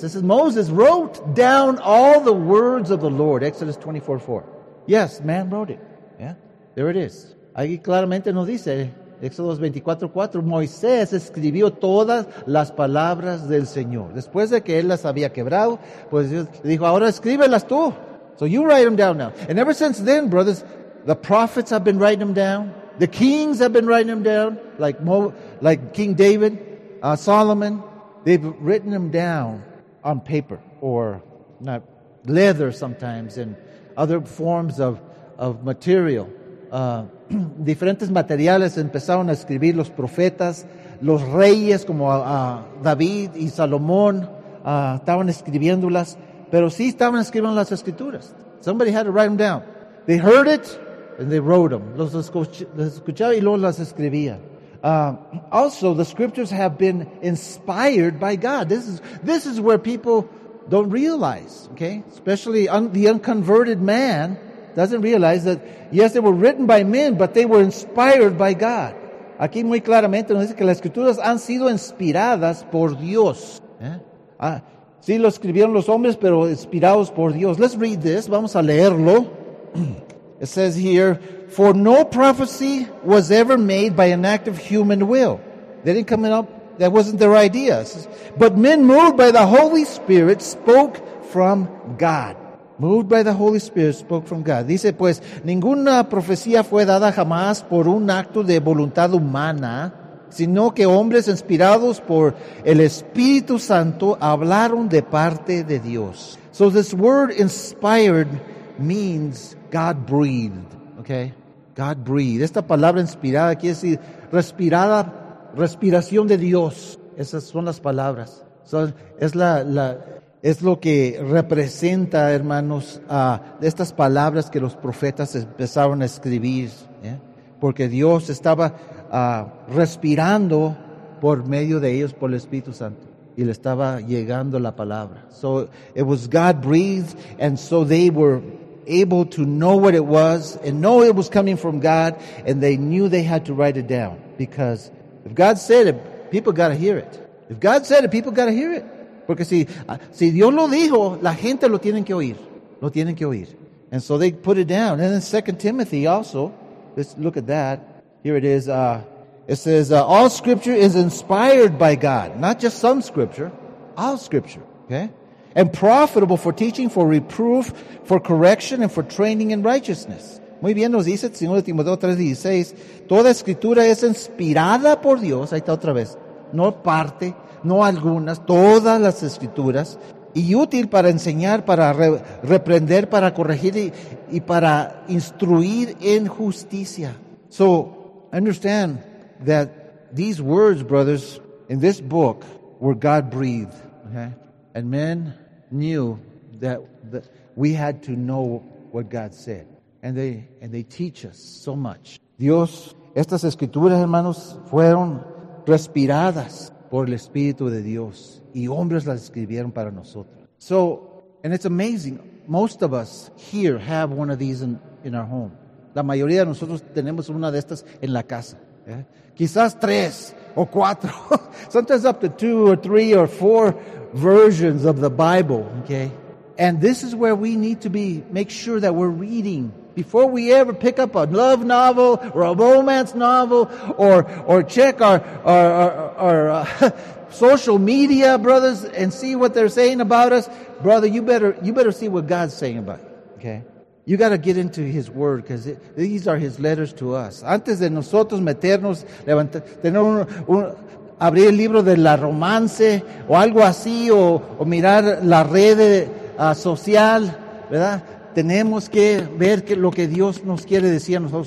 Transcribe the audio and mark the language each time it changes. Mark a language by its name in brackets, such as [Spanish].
[English] This is Moses wrote down all the words of the Lord, Exodus 24:4. Yes, man wrote it. Yeah, there it is. [Spanish] Ahí claramente nos dice, Exodus 24:4, Moisés escribió todas las palabras del Señor. Después de que él las había quebrado, pues Dios dijo, ahora escríbelas tú. [English] So you write them down now. And ever since then, brothers, the prophets have been writing them down. The kings have been writing them down, like King David, Solomon. They've written them down on paper, or not leather sometimes, and other forms of material. [Spanish] Diferentes materiales empezaron a escribir los profetas, los reyes como David y Salomón estaban escribiéndolas, pero sí estaban escribiendo las escrituras. [English] Somebody had to write them down. They heard it and they wrote them. [Spanish] Los escuchaba y luego las escribía. [English] Also, the scriptures have been inspired by God. This is where people don't realize, okay? Especially the unconverted man doesn't realize that, yes, they were written by men, but they were inspired by God. [Spanish] Aquí muy claramente nos dice que las escrituras han sido inspiradas por Dios. Sí, lo escribieron los hombres, pero inspirados por Dios. [English] Let's read this. [Spanish] Vamos a leerlo. [English] It says here, for no prophecy was ever made by an act of human will. They didn't come up, that wasn't their idea. But men moved by the Holy Spirit spoke from God. Moved by the Holy Spirit spoke from God. [Spanish] Dice pues, ninguna profecía fue dada jamás por un acto de voluntad humana, sino que hombres inspirados por el Espíritu Santo hablaron de parte de Dios. [English] So this word inspired means God breathed, okay? God breathed. [Spanish] Esta palabra inspirada quiere decir respirada, respiración de Dios. Esas son las palabras. So, es lo que representa, hermanos, estas palabras que los profetas empezaron a escribir, yeah? Porque Dios estaba respirando por medio de ellos, por el Espíritu Santo. Y le estaba llegando la palabra. [English] So it was God breathed, and so they were able to know what it was and know it was coming from God, and they knew they had to write it down, because if God said it, people got to hear it. If God said it, people got to hear it. [Spanish] Porque si Dios lo dijo, la gente lo tienen que oír. Lo tienen que oír. [English] And so they put it down. And then 2 Timothy also, let's look at that. Here it is. It says, all scripture is inspired by God. Not just some scripture, all scripture. Okay? And profitable for teaching, for reproof, for correction, and for training in righteousness. [Spanish] Muy bien, nos dice 2 Timoteo 3:16. Toda escritura es inspirada por Dios. Ahí está otra vez. No parte, no algunas, todas las escrituras. Y útil para enseñar, para reprender, para corregir y para instruir en justicia. [English] So, understand that these words, brothers, in this book, were God-breathed. Okay? And men knew that we had to know what God said. And they teach us so much. [Spanish] Dios, estas escrituras, hermanos, fueron respiradas por el Espíritu de Dios. Y hombres las escribieron para nosotros. [English] So, and it's amazing. Most of us here have one of these in our home. [Spanish] La mayoría de nosotros tenemos una de estas en la casa. [English] Yeah? [Spanish] Quizás tres o cuatro. [English] Sometimes up to two or three or four versions of the Bible, okay? And this is where we need to be, make sure that we're reading. Before we ever pick up a love novel or a romance novel or check our social media, brothers, and see what they're saying about us, brother, you better see what God's saying about you, okay? You got to get into His Word, because these are His letters to us. [Spanish] Antes de nosotros meternos, tener abrir el libro de la romance o algo así, o mirar la red social, ¿verdad? Tenemos que ver que lo que Dios nos quiere decir a nosotros.